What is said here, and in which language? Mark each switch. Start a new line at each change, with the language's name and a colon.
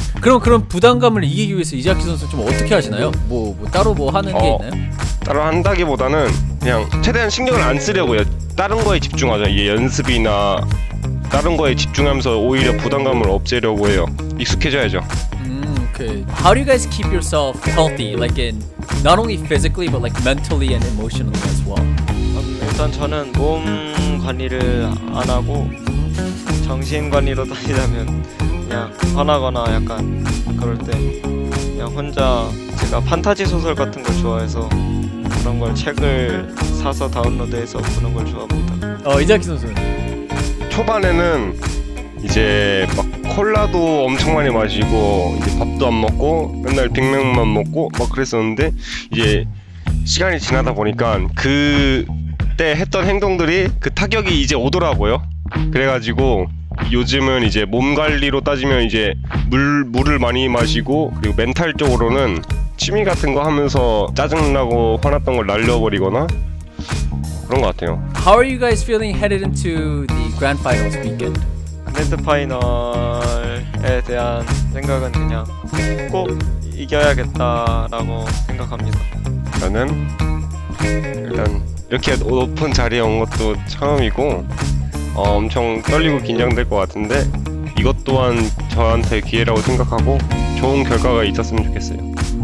Korean: 그럼 부담감을 이기기 위해서 이자키 선수 좀 어떻게 하시나요? 뭐 따로 뭐 하는 게 있나요? 따로 한다기보다는 그냥 최대한 신경을 안 쓰려고요. 다른 거에 집중하죠. 이게 연습이나 다른 거에 집중하면서 오히려 부담감을 없애려고 해요. 익숙해져야죠.
English: How do you guys keep yourself healthy, like in not only physically but like mentally and emotionally as well?
Korean: 일단 저는 몸 관리를 안 하고 정신 관리로 따지자면 그냥 화나거나 약간 그럴 때 그냥 혼자 제가 판타지 소설 같은 걸 좋아해서 그런 걸 책을 사서 다운로드해서 보는 걸 좋아합니다. 이자키 선수는? 초반에는 이제 막 콜라도 엄청 많이 마시고 이제 밥도 안 먹고 맨날 빅맥만 먹고 막 그랬었는데 이제 시간이 지나다 보니까 그때 했던 행동들이 그 타격이 이제 오더라고요. 그래가지고 요즘은 이제 몸 관리로 따지면 이제 물을 많이 마시고 그리고 멘탈 쪽으로는 취미 같은 거 하면서 짜증나고 화났던 걸 날려버리거나 그런 것 같아요.
English: How are you guys feeling headed into the Grand Finals weekend?
Korean: 그랜드 파이널에 대한 생각은 그냥 꼭 이겨야겠다라고 생각합니다. 저는 일단 이렇게 높은 자리에 온 것도 처음이고 엄청 떨리고 긴장될 것 같은데 이것 또한 저한테 기회라고 생각하고 좋은 결과가 있었으면 좋겠어요.